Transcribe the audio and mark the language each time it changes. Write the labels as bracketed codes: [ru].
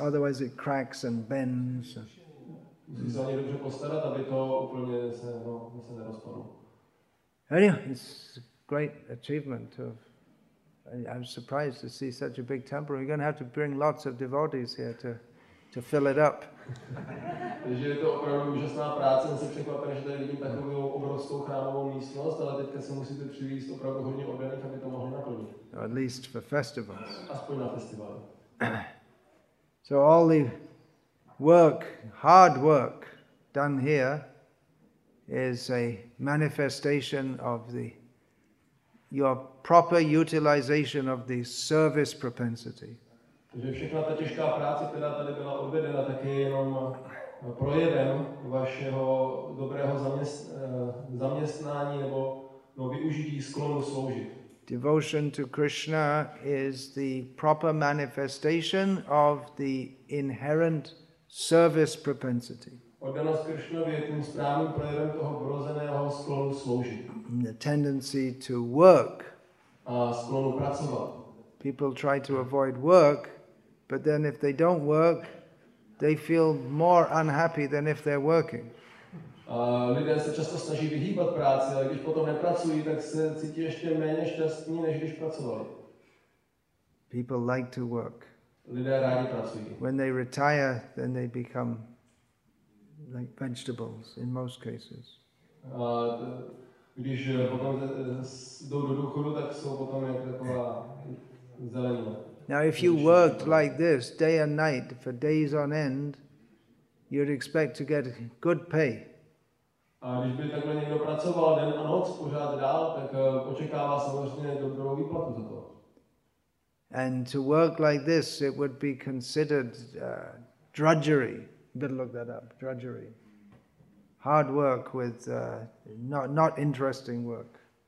[en] Otherwise it cracks and bends. [cs] Musí se o ně dobře postarat, aby to úplně se nerozpadlo. [en] Anyway, it's a great achievement to have. I'm surprised to see such a big temple. We're going to have to bring lots of devotees here to fill it up. [cs] Takže je to opravdu úžasná práce. Jsem se překvapen, že tady vidím takovou obrovskou chrámovou místnost, ale teďka se musíte přivést opravdu hodně organik, aby to mohlo naplnit. [en] At least for festivals. [cs] Aspoň na festivaly. [en] So all the work, hard work, done here is a manifestation of your proper utilization of the service propensity. [cs] Takže všechna ta těžká práce, která tady byla odvedena, tak je jenom projevem vašeho dobrého zaměstnání nebo využití sklonu sloužit. [en] Devotion to Krishna is the proper manifestation of the inherent service propensity. [cs] Oddanost Krishnovi je tím správným projevem toho vrozeného sklonu sloužit. [en] The tendency to work. [cs] A sklonu pracovat. [en] People try to avoid work. But then if they don't work, they feel more unhappy than if they're working. [cs] Lidé se často snaží vyhýbat práci, ale když potom nepracují, tak se cítí ještě méně šťastní, než když pracovali. [en] People like to work. [cs] Lidé rádi pracují. [en] When they retire, then they become like vegetables in most cases. [cs] Když potom jdou do důchodu, tak jsou potom jak taková zelenina. [en] Now, if you worked like this, day and night, for days on end, you'd expect to get good pay. [cs] A když by takhle někdo pracoval den a noc pořád dál, tak očekává samozřejmě dobrou výplatu za to. [en] And to work like this, it would be considered drudgery. Better look that up, drudgery. Hard work with not interesting work.